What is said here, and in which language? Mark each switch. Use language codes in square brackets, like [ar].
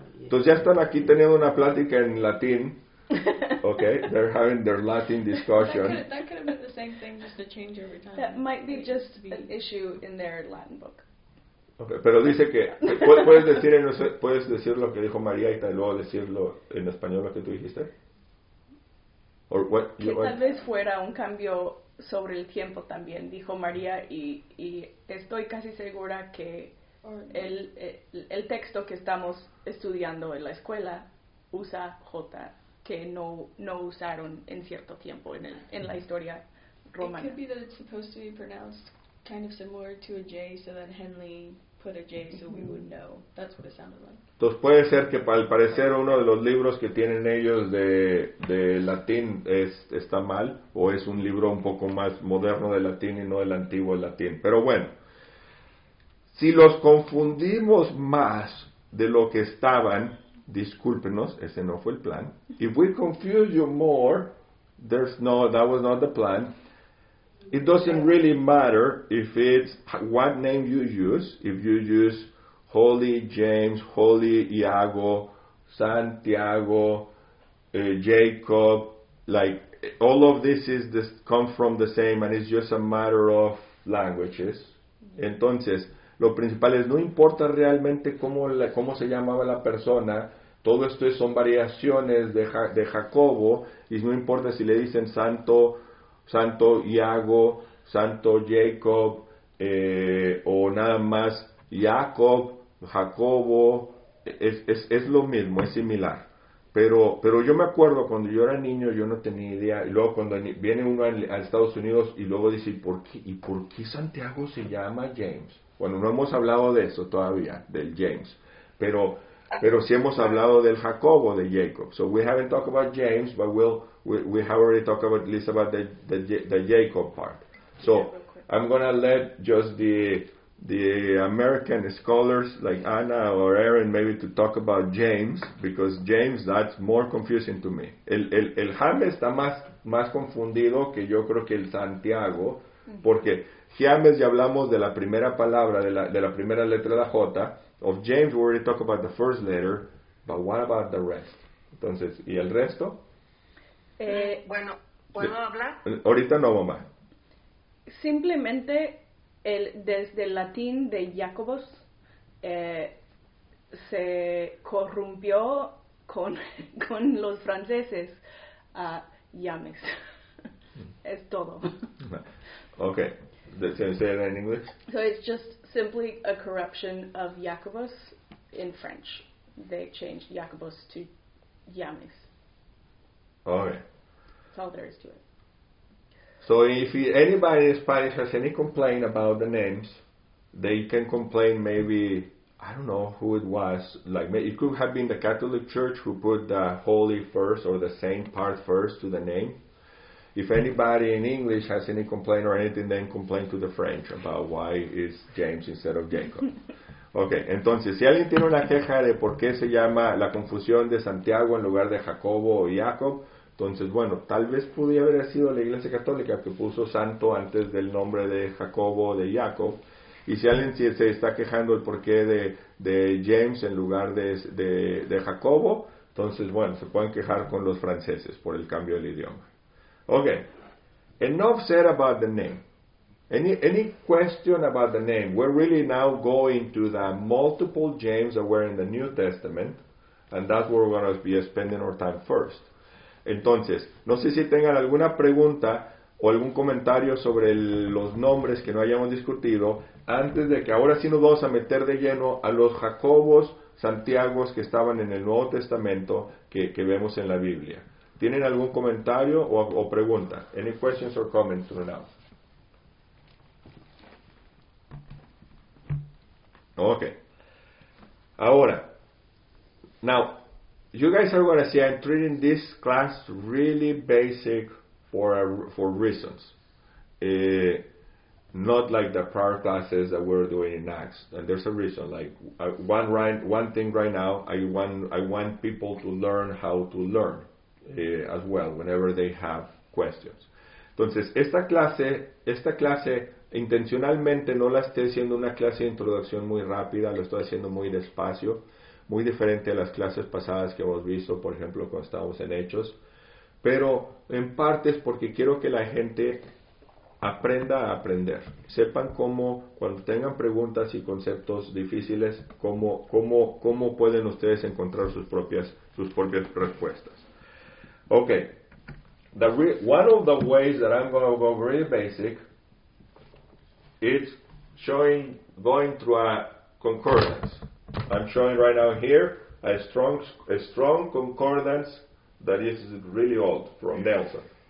[es] Entonces ya están aquí teniendo una plática en latín. [en] Okay, they're having their Latin discussion. That could have been the same thing, just a change every time. That might be just an issue in their Latin book. [es] Okay, pero dice que puedes decir lo que dijo María y luego decirlo en español lo que tú dijiste. [en] Or what? [es] Tal vez fuera un cambio sobre el tiempo también, dijo María, y estoy casi segura que el texto que estamos estudiando en la escuela usa J, que no usaron en cierto tiempo en la historia romana. [en] It could be that it's supposed to be pronounced kind of similar to a J, so that Henley put a J so we would know. That's what it sounded like. [es] Entonces puede ser que al parecer uno de los libros que tienen ellos de latín está mal, o es un libro un poco más moderno de latín y no del antiguo latín. Pero bueno, si los confundimos más de lo que estaban, discúlpenos, ese no fue el plan. [en] If we confuse you more, that was not the plan. It doesn't really matter if it's what name you use, if you use Holy James, Holy Iago, Santiago, Jacob, like all of this come from the same, and it's just a matter of languages. [es] Entonces, lo principal es, no importa realmente cómo se llamaba la persona, todo esto son variaciones de Jacobo, y no importa si le dicen Santo, Santo Iago, Santo Jacob, o nada más Jacob. Jacobo es lo mismo, es similar. Pero yo me acuerdo cuando yo era niño, yo no tenía idea. Y luego cuando viene uno a Estados Unidos y luego dice, ¿y por qué Santiago se llama James? Bueno, no hemos hablado de eso todavía, del James. Pero Pero sí hemos hablado del Jacobo, de Jacob. [en] So we haven't talked about James, but we have already talked about at least about the Jacob part. So yeah, I'm gonna let just the American scholars like Anna or Aaron maybe to talk about James, because James, that's more confusing to me. [es] El James está más confundido que yo creo que el Santiago, porque James ya hablamos de la primera palabra, de la primera letra, la J. [en] Of James, we already talked about the first letter, but what about the rest? [es] Entonces, ¿y el resto? Bueno, ¿puedo hablar? Ahorita no, mamá. Simplemente, desde el latín de Jacobus, se corrompió con los franceses a James. Es todo. [en] Okay. Did you say that in English? So it's just simply a corruption of Jacobus in French. They changed Jacobus to James. Okay. That's all there is to it. So if anybody in Spanish has any complaint about the names, they can complain maybe, I don't know who it was, like it could have been the Catholic Church who put the holy first or the saint part first to the name. If anybody in English has any complaint or anything, then complain to the French about why it's James instead of Jacob. [es] Okay, entonces, si alguien tiene una queja de por qué se llama la confusión de Santiago en lugar de Jacobo o Jacob, entonces, bueno, tal vez pudiera haber sido la Iglesia Católica que puso santo antes del nombre de Jacobo o de Jacob. Y si alguien se está quejando el por qué de James en lugar de Jacobo, entonces, bueno, se pueden quejar con los franceses por el cambio del idioma. [en] Okay, enough said about the name. Any question about the name? We're really now going to the multiple James that were in the New Testament, and that's where we're going to be spending our time first. [es] Entonces, no sé si tengan alguna pregunta o algún comentario sobre los nombres que no hayamos discutido antes de que ahora sí nos vamos a meter de lleno a los Jacobos, Santiagos que estaban en el Nuevo Testamento que vemos en la Biblia. ¿Tienen algún comentario o pregunta? [en] Any questions or comments for now? [es] Okay. Ahora. [en] Now, you guys are going to see I'm treating this class really basic for reasons. Not like the prior classes that we're doing in Acts. And there's a reason. Like, one thing right now, I want people to learn how to learn. As well, whenever they have questions. [es] Entonces, esta clase intencionalmente no la estoy haciendo una clase de introducción muy rápida, lo estoy haciendo muy despacio, muy diferente a las clases pasadas que hemos visto, por ejemplo, cuando estábamos en Hechos, pero en parte es porque quiero que la gente aprenda a aprender. Sepan cómo, cuando tengan preguntas y conceptos difíciles, cómo pueden ustedes encontrar sus propias respuestas. [en] Okay, one of the ways that I'm going to go really basic is going through a concordance. I'm showing right now here a strong concordance that is really old from Nelson.